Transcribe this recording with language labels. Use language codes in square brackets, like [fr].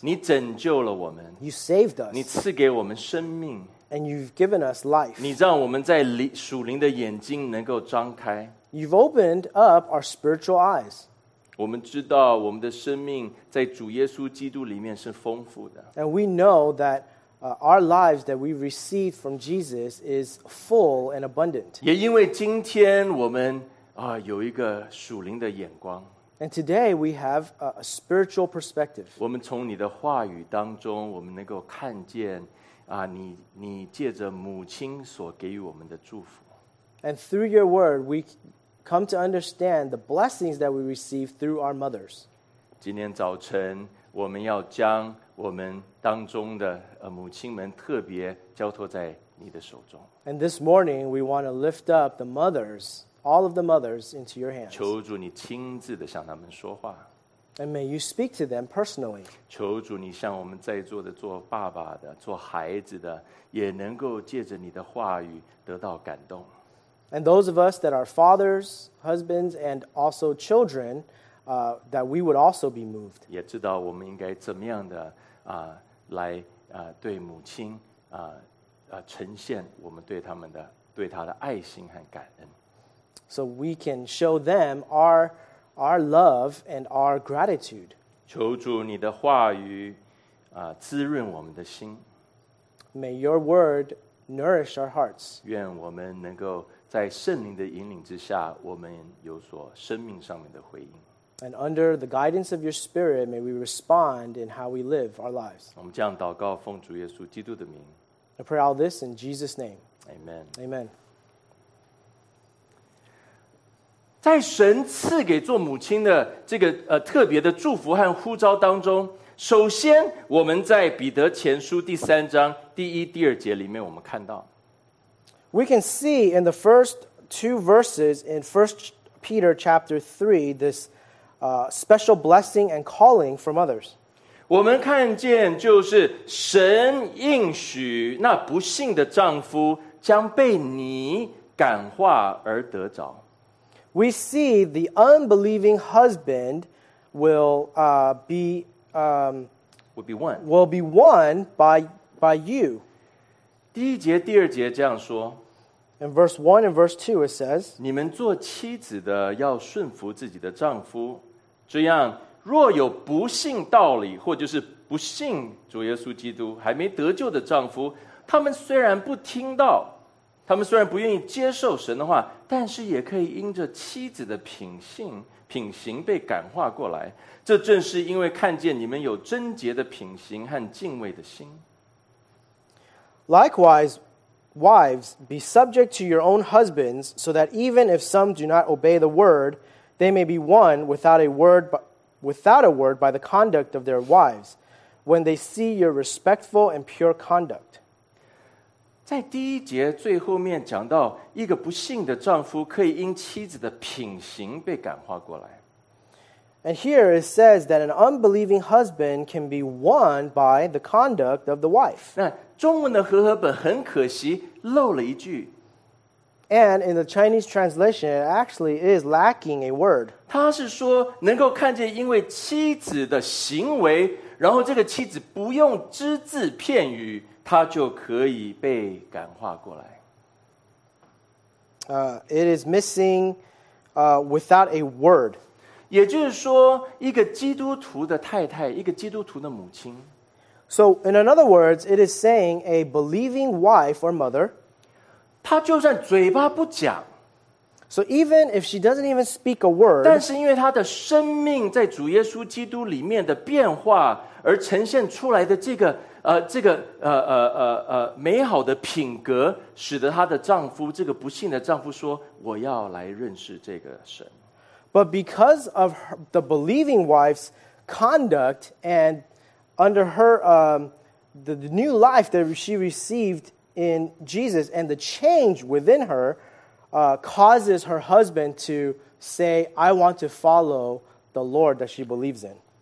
[zh] 你拯救了我们。 [en] You saved us. [zh] 你赐给我们生命。 [en] And you've given us life. [zh] 你让我们在属灵的眼睛能够张开。 [en] You've opened up our spiritual eyes. [zh] 我们知道我们的生命在主耶稣基督里面是丰富的。 [en] And we know that our lives that we receive from Jesus is full and abundant. [zh] 也因为今天我们有一个属灵的眼光。 [en] And today we have a spiritual perspective. [zh] 我们从你的话语当中，我们能够看见你借着母亲所给予我们的祝福。 [en] And through your word, we... come to understand the blessings that we receive through our mothers. [zh] 今天早晨，我们要将我们当中的母亲们特别交托在你的手中。 [en] And this morning, we want to lift up the mothers, all of the mothers, into your hands. [zh] 求主你亲自地向他们说话。 [en] And may you speak to them personally. [zh] 求主你向我们在座的做爸爸的、做孩子的，也能够借着你的话语得到感动。 [en] And those of us that are fathers, husbands, and also children, that we would also be moved. [zh] 也知道我们应该怎么样的来对母亲呈现我们对他们的对他的爱心和感恩。 [en] So we can show them our love and our gratitude. [zh] 求主你的话语滋润我们的心。 [en] May your word nourish our hearts. [zh] 愿我们能够在圣灵的引领之下，我们有所生命上面的回应。 [en] And under the guidance of your spirit, may we respond in how we live our lives. [zh] 我们这样祷告，奉主耶稣基督的名。 [en] I pray all this in Jesus' name. Amen. Amen. [zh] 在神赐给做母亲的这个特别的祝福和呼召当中，首先我们在彼得前书第三章第一、第二节里面，我们看到。 [en] We can see in the first two verses in 1 Peter chapter 3 this special blessing and calling from others. [zh] 我们看见就是神应许那不幸的丈夫将被你感化而得着。 [en] We see the unbelieving husband will be won by you. [zh] 第一节第二节这样说。 [en] In verse 1 and verse 2 it says, [zh] 你们做妻子的要顺服自己的丈夫，这样若有不信道理，或就是不信主耶稣基督还没得救的丈夫，他们虽然不听到，他们虽然不愿意接受神的话，但是也可以因着妻子的品行被感化过来，这正是因为看见你们有贞洁的品行和敬畏的心。 [en] Likewise, Wives, be subject to your own husbands, so that even if some do not obey the word, they may be won without a word by the conduct of their wives, when they see your respectful and pure conduct. [zh] 在第一节最后面讲到，一个不幸的丈夫可以因妻子的品行被感化过来。 [en] And here it says that an unbelieving husband can be won by the conduct of the wife. [zh] 那中文的和合本很可惜漏了一句。 [en] And in the Chinese translation, it actually is lacking a word. [zh] 他是说能够看见因为妻子的行为，然后这个妻子不用只字片语，他就可以被感化过来。 [en] It is missing, without a word. [zh] 也就是说，一个基督徒的太太，一个基督徒的母亲。 [en] So, in other words, it is saying a believing wife or mother. [zh] 她就算嘴巴不讲。 [en] So, even if she doesn't even speak a word. [zh] 但是因为她的生命在主耶稣基督里面的变化而呈现出来的这个美好的品格，使得她的丈夫，这个不幸的丈夫说，我要来认识这个神。 [en] But because of the believing wife's conduct and under her, the new life that she received in Jesus and the change within her, causes her husband to say, I want to follow the Lord that she believes in.